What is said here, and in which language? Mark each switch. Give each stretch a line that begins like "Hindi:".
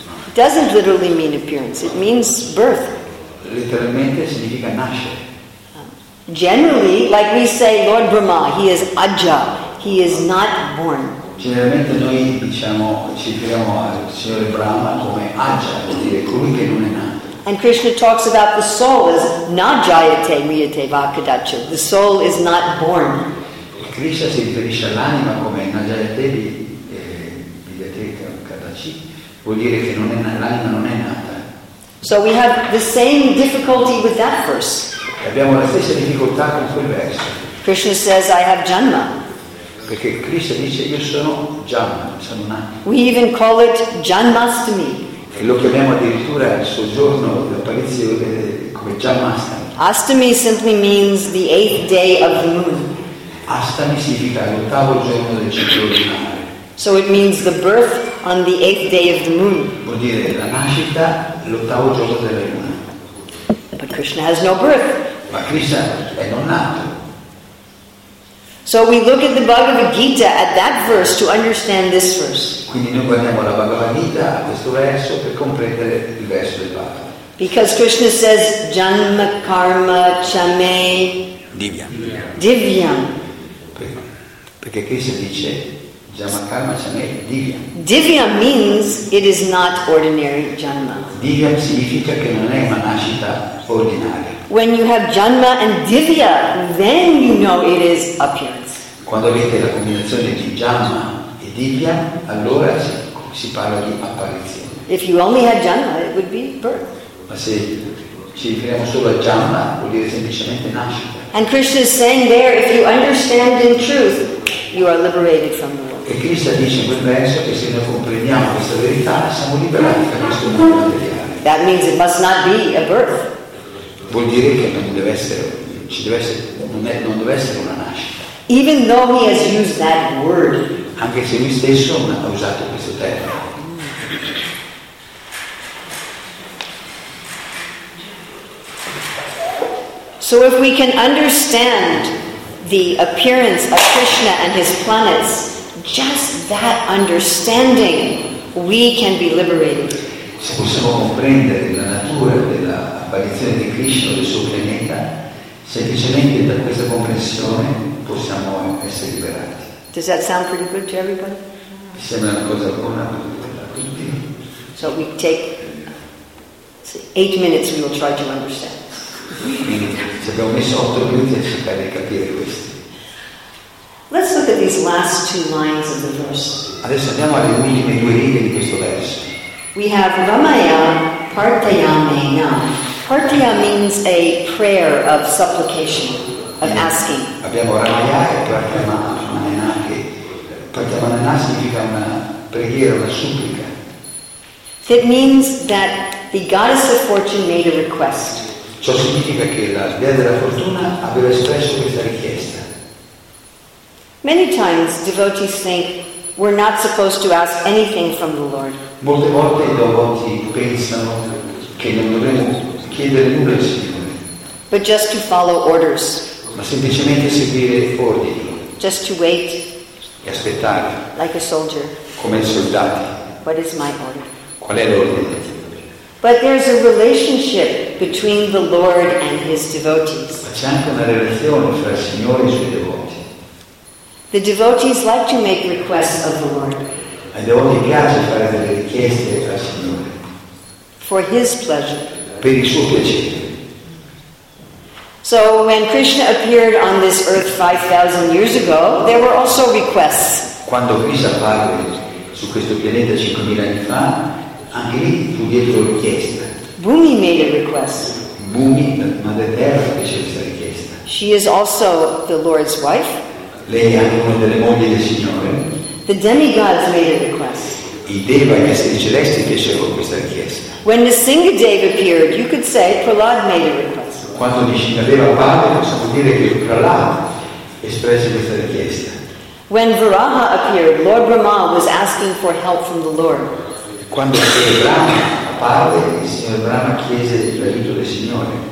English: It doesn't literally mean appearance, it means birth.
Italian: Letteralmente significa nascere.
English: Generally, like we say, Lord Brahma, he is Aja, he is not born.
Italian: Generalmente noi diciamo, ci riferiamo al Signore Brahma come Aja, vuol dire colui che non è nato.
English: And Krishna talks about the soul as
Sanskrit: Najayate Miyate Vakadacha.
English: The soul is not born.
Italian: Krishna si riferisce all'anima come
Sanskrit: Najayate Miyate Vakadacha.
Italian: Vuol dire che non è, l'anima non è nata.
English: So we have the same difficulty with that verse.
Italian: Abbiamo la stessa difficoltà con quel verso.
English: Krishna says, I have Janma.
Italian: Perché Krishna dice, io sono Janma, sono nato.
English: We even call it Janmastami.
Italian: E lo chiamiamo addirittura il soggiorno di apparizione come Janmastami.
English: Astami simply means the eighth day of the moon.
Italian: Astami significa l'ottavo giorno del ciclo lunare.
English: So it means the birth on the eighth day of the moon.
Italian: Vuol dire la nascita l'ottavo giorno della luna.
English: But Krishna has no birth.
Italian: Ma Krishna è non nato.
English: So we look at the Bhagavad Gita at that verse to understand this verse.
Italian: Quindi noi guardiamo la Bhagavad Gita a questo verso per comprendere il verso del Bhagavad.
English: Because Krishna says
Sanskrit: janma karma chame
English: divyam. Divyam.
Italian: Perché Krishna dice
Sanskrit: janma karma chame divyam.
English: Divyam means it is not ordinary janma.
Italian: Divyam significa che non è una nascita ordinaria.
English: When you have janma and divya, then you know it is appearance.
Italian: Quando avete la combinazione di janma e divya, allora si parla di apparizione.
English: If you only had janma, it would be birth.
Italian: Ma se ci riferiamo solo a janma, vuol dire semplicemente nascita.
English: And Krishna is saying there, if you understand in truth, you are liberated from the world.
Italian: E Krishna dice in quel verso che se noi comprendiamo questa verità, siamo liberati da questo mondo materiale.
English: That means it must not be a birth.
Italian: Vuol dire che non deve essere, ci deve essere, non deve essere una nascita.
English: Even though he has used that word.
Italian: Anche se lui stesso non ha usato questo termine.
English: So if we can understand the appearance of Krishna and his planets, just that understanding, we can be liberated.
Italian: Se possiamo comprendere la natura della apparizione di Krishna del suo pianeta, semplicemente da questa comprensione possiamo essere liberati.
English: Does that sound pretty good to everybody?
Italian: Mi sembra una cosa buona.
English: So we take 8 minutes and we'll try to understand.
Italian: Ci abbiamo messo 8 minuti a cercare di capire questo.
English: Let's look at these last two lines of the verse.
Italian: Adesso andiamo alle ultime due righe di questo verso.
English: We have Ramaya Partayamena. Partaya means a prayer of supplication, of asking.
Italian: Abbiamo Ramaya e Partayamena. Partayamena significa una preghiera, una supplica.
English: It means that the goddess of fortune made a request.
Italian: Ciò significa che la dea della fortuna aveva espresso questa richiesta.
English: Many times devotees think we're not supposed to ask anything from the Lord.
Italian: Molte volte i devoti pensano che non dovremmo chiedere nulla al Signore.
English: But just to follow orders.
Italian: Ma semplicemente seguire ordini.
English: Just to wait.
Italian: E aspettare.
English: Like a soldier.
Italian: Come il soldato.
English: What is my order?
Italian: Qual è l'ordine?
English: But there's a relationship between the Lord and his devotees.
Italian: Ma c'è anche una relazione fra il Signore e i suoi devoti.
English: The devotees like to make requests of the Lord.
Italian: Ai devoti piace fare delle richieste al Signore.
English: For his pleasure.
Italian: Per il suo piacere.
English: So when Krishna appeared on this earth 5,000 years ago, there were also requests.
Italian: Quando Krishna apparve su questo pianeta 5,000 anni fa, anche lì fu dietro richiesta.
English: Bhumi made a request.
Italian: Bhumi, madre terra, fece questa richiesta.
English: She is also the Lord's wife.
Italian: Lei è anche una delle mogli del Signore.
English: The demigods made a request.
Italian: I devi, gli esseri celesti, fecero questa richiesta.
English: When Nisingadeva appeared, you could say Prahlad made a request.
Italian: Quando Nisingadeva appare, possiamo dire che Prahlad espresse questa richiesta.
English: When Varaha appeared, Lord Brahma was asking for help from the Lord.
Italian: Quando Brahma apparve, il signor Brahma chiese l'aiuto del Signore.